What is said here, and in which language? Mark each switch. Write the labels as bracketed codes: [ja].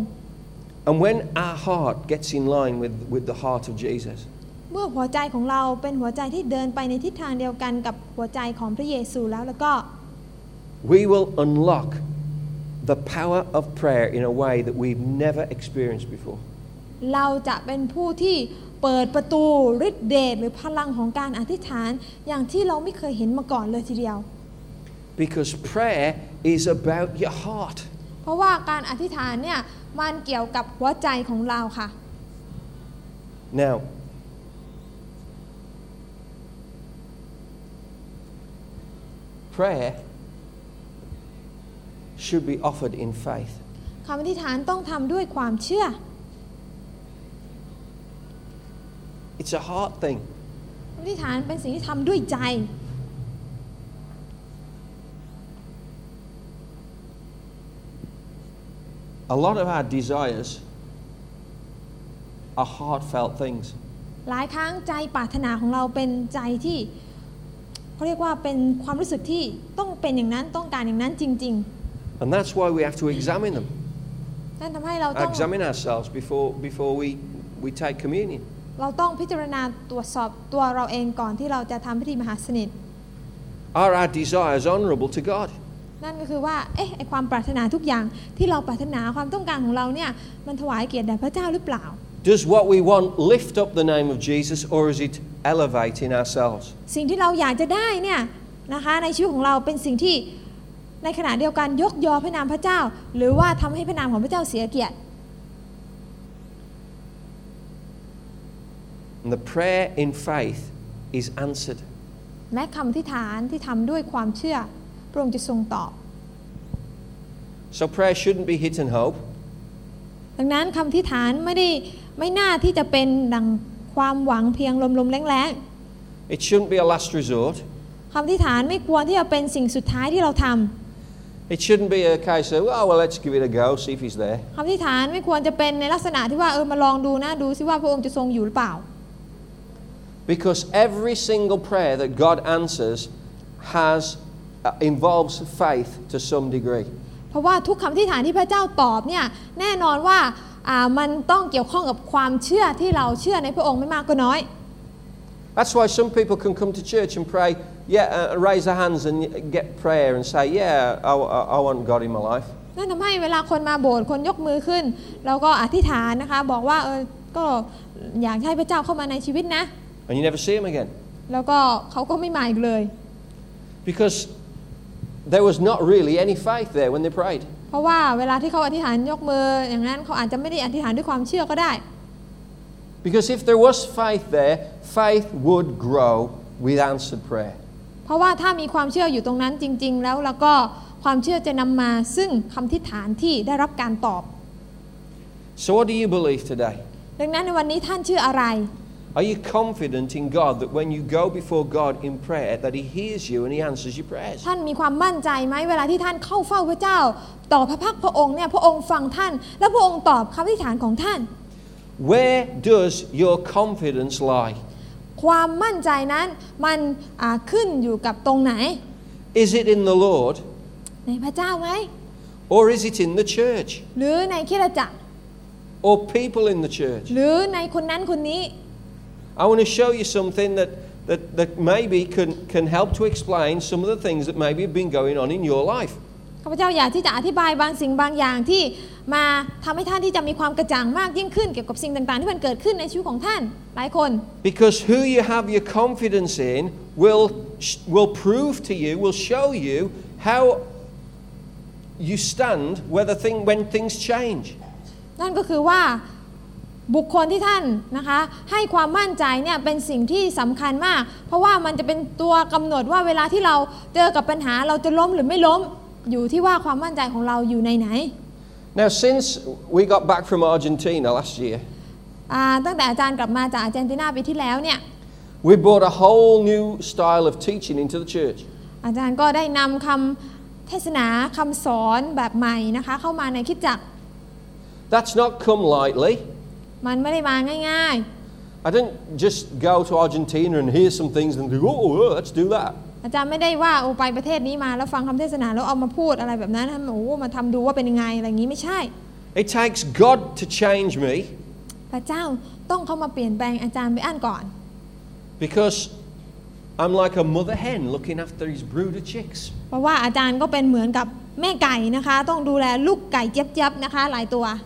[en] And when our heart gets in line with the heart of Jesus [th] เมื่อหัวใจของเราเป็นหัวใจที่เดินไปในทิศทางเดียวกันกับหัวใจของพระเยซูแล้วก็ [en] We will unlock the power of prayer in a way that we've never experienced before. [th] เราจะเป็นผู้ที่เปิดประตูฤทธิ์เดชหรือพลังของการอธิษฐานอย่างที่เราไม่เคยเห็นมาก่อนเลยทีเดียว [en] Because prayer is about your heart. [th] เพราะว่าการอธิษฐานเนี่ยมันเกี่ยวกับหัวใจของเราค่ะ [en] Now. Prayer should be offered in faith. [th] คำอธิษฐานต้องทำด้วยความเชื่อ [en] It's a heart thing. [th] คำอธิษฐานเป็นสิ่งที่ทำด้วยใจ [en] A lot of our desires are heartfelt things. [th] หลายครั้งใจปรารถนาของเราเป็นใจที่เขาเรียกว่าเป็นความรู้สึกที่ต้องเป็นอย่างนั้นต้องการอย่างนั้นจริง [en] ๆ And that's why we have to examine them. [th] นั่นทำให้เราต้อง [en] examine ourselves before we take communion. [th] เราต้องพิจารณาตรวจสอบตัวเราเองก่อนที่เราจะทำพิธีมหาสนิท [en] Are our desires honorable to God? [th] นั่นก็คือว่าเอ๊ะไอความปรารถนาทุกอย่างที่เราปรารถนาความต้องการของเราเนี่ยมันถวายเกียรติแด่พระเจ้าหรือเปล่า [en] Does what we want lift up the name of Jesus, or is it elevating ourselves? [th] สิ่งที่เราอยากจะได้เนี่ยนะคะในชีวิตของเราเป็นสิ่งที่ในขณะเดียวกันยกยอพระนามพระเจ้าหรือว่าทำให้พระนามของพระเจ้าเสียเกียรติ [en] The prayer in faith is answered. [th] และคำอธิษฐานที่ทำด้วยความเชื่อพระองค์จะทรงตอบ [en] So prayer shouldn't be hidden hope. [th] ดังนั้นคำอธิษฐานไม่น่าที่จะเป็นดังความหวังเพียงลมๆแล้ง [en] ๆ It shouldn't be a last resort [th] คำอธิษฐานไม่ควรที่จะเป็นสิ่งสุดท้ายที่เราทำ [en] It shouldn't be a case of well let's give it a go see if he's there [th] คำอธิษฐานไม่ควรจะเป็นในลักษณะที่ว่าเออมาลองดูนะดูซิว่าพระองค์จะทรงอยู่หรือเปล่า [en] Because every single prayer that God answers has involves faith to some degree [th] เพราะว่าทุกคำที่ฐานที่พระเจ้าตอบเนี่ยแน่นอนว่ามันต้องเกี่ยวข้องกับความเชื่อที่เราเชื่อในพระองค์ไม่มากก็น้อย [en] That's why some people can come to church and pray raise their hands and get prayer and say I want God in my life [th] นั่นทำให้เวลาคนมาโบสถ์คนยกมือขึ้นแล้วก็อธิษฐานนะคะบอกว่าก็อยากให้พระเจ้าเข้ามาในชีวิตนะ [en] And you never see him again [th] แล้วก็เขาก็ไม่มาอีกเลย [en] becauseThere was not really any faith there when they prayed. [th] เพราะว่าเวลาที่เขาอธิษฐานยกมืออย่างนั้นเขาอาจจะไม่ได้อธิษฐานด้วยความเชื่อก็ได้ [en] Because if there was faith there, faith would grow with answered prayer. [th] เพราะว่าถ้ามีความเชื่ออยู่ตรงนั้นจริงๆแล้วก็ความเชื่อจะนำมาซึ่งคำอธิษฐานที่ได้รับการตอบ [en] So what do you believe today? [th] ดังนั้นในวันนี้ท่านเชื่ออะไร [en] Are you confident in God that when you go before God in prayer that He hears you and He answers your prayers? [th] ท่านมีความมั่นใจไหมเวลาที่ท่านเข้าเฝ้าพระเจ้าต่อพระพักพระองค์เนี่ยพระองค์ฟังท่านแล้วพระองค์ตอบคำอธิษฐานของท่าน [en] Where does your confidence lie? [th] ความมั่นใจนั้นมันขึ้นอยู่กับตรงไหน [en] Is it in the Lord? [th] ในพระเจ้าไหม [en] Or is it in the church? [th] หรือในคริสตจักร [en] Or people in the church? [th] หรือในคนนั้นคนนี้ [en] I want to show you something that maybe can help to explain some of the things that maybe have been going on in your life. [th] ข้าพเจ้าอยากที่จะอธิบายบางสิ่งบางอย่างที่มาทำให้ท่านที่จะมีความกระจ่างมากยิ่งขึ้นเกี่ยวกับสิ่งต่างๆที่มันเกิดขึ้นในชีวิตของท่านหลายคน [en] Because who you have your confidence in will prove to you will show you how you stand when things change. [th] นั่นก็คือว่าบุคคลที่ท่านนะคะให้ความมั่นใจเนี่ยเป็นสิ่งที่สำคัญมากเพราะว่ามันจะเป็นตัวกำหนดว่าเวลาที่เราเจอกับปัญหาเราจะล้มหรือไม่ล้มอยู่ที่ว่าความมั่นใจของเราอยู่ในไหน [en] Now since we got back from Argentina last year [th] ตั้งแต่อาจารย์กลับมาจากอาร์เจนตินาปีที่แล้วเนี่ย [en] We brought a whole new style of teaching into the church [th] อาจารย์ก็ได้นำคำเทศนาคำสอนแบบใหม่นะคะเข้ามาในคริสตจักร [en] That's not come lightly [th] มันไม่ได้มาง่าย [en] ๆ I didn't just go to Argentina and hear some things and go oh let's do that [th] อาจารย์ไม่ได้ว่าโอ้ไปประเทศนี้มาแล้วฟังคำเทศนาแล้วเอามาพูดอะไรแบบนั้นโอ้มาทำดูว่าเป็นยังไงอะไรอย่างนี้ไม่ใช่ [en] It takes God to change me [th] พระเจ้าต้องเข้ามาเปลี่ยนแปลงอาจารย์ไปอ่านก่อน [en] Because I'm like a mother hen looking after his brood of chicks [th] เ พราะว่าอาจารย์ก็เป็นเหมือนกับแม่ไก่นะคะต้องดูแลลูกไก่เจี๊ยบๆนะคะหลายตัว